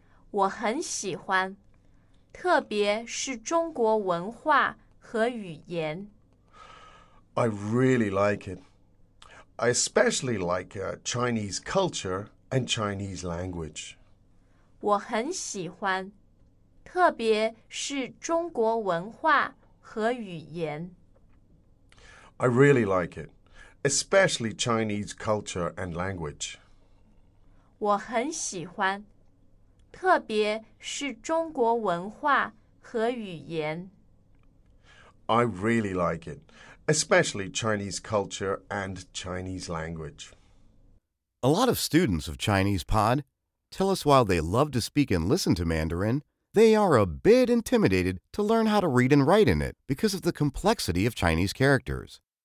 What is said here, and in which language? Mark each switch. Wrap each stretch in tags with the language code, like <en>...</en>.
<zh>我很喜欢，特别是中国文化和语言。</zh> <en>I really like it. I especially like Chinese culture and Chinese language.</en> <zh>我很喜欢，特别是中国文化和语言。</zh> <en>I really like it. Especially Chinese culture and language.</en> <zh>我很喜欢，特别是中国文化和语言。</zh> <en>I really like it, especially Chinese culture and Chinese language. A lot of students of Chinese Pod tell us while they love to speak and listen to Mandarin, they are a bit intimidated to learn how to read and write in it because of the complexity of Chinese characters.</en>